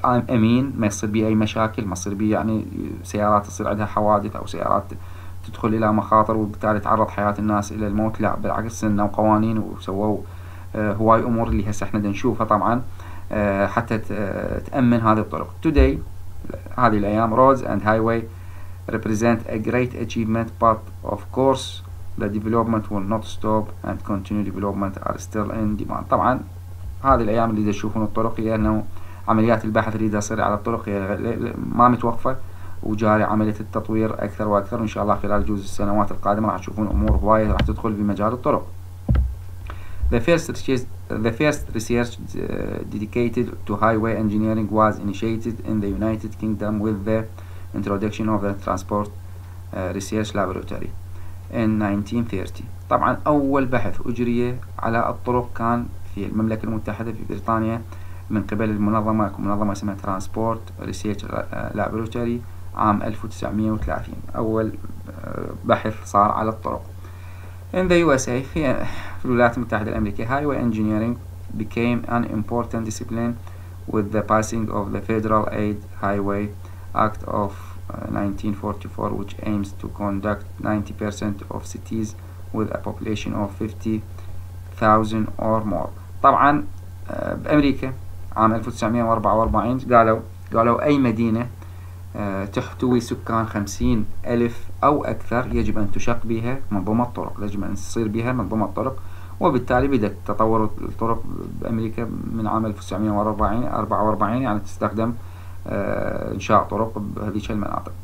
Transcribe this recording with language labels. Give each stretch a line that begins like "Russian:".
Arabic: أمين، ما يصير بي أي مشاكل، ما يصير بي يعني سيارات تصير عندها حوادث، أو سيارات تدخل إلى مخاطر وبالتالي تعرض حياة الناس إلى الموت، لا بالعكس، سنوا قوانين وسووا هواي أمور اللي هسه احنا نشوفها طبعا حتى تأمن هذه الطرق.
English: Today
Arabic: هذه الأيام
English: roads and highway represent a great achievement, but of course the development will not stop and continued development are still in demand.
Arabic: طبعا هذه الأيام اللي تشوفون الطرق هي أنه عمليات البحث اللي تصير على الطرق هي ما متوقفة، وجاري عملية التطوير أكثر وأكثر، إن شاء الله خلال جوز السنوات القادمة راح تشوفون أمور هواية راح تدخل بمجال الطرق.
English: The first research dedicated to highway engineering was initiated in the United Kingdom with the introduction of the Transport Research Laboratory in 1930.
Arabic: طبعا أول بحث أجري على الطرق كان في المملكة المتحدة في بريطانيا من قبل المنظمة، منظمة اسمها Transport Research Laboratory، عام 1930 أول بحث صار على الطرق.
English: In the USA،
Arabic: في الولايات المتحدة الأمريكية،
English: Highway Engineering became an important discipline with the passing of the Federal Aid Highway Act of 1944, which aims to conduct 90% of cities with a population of 50,000 or more.
Arabic: طبعا بأمريكا عام 1944 قالوا أي مدينة تحتوي سكان 50,000 أو أكثر يجب أن تشق بها منظومة الطرق، يجب أن تصير بها منظومة الطرق. وبالتالي بدأت تطور الطرق بأمريكا من عام 1944، يعني تستخدم إنشاء طرق بهذه المناطق.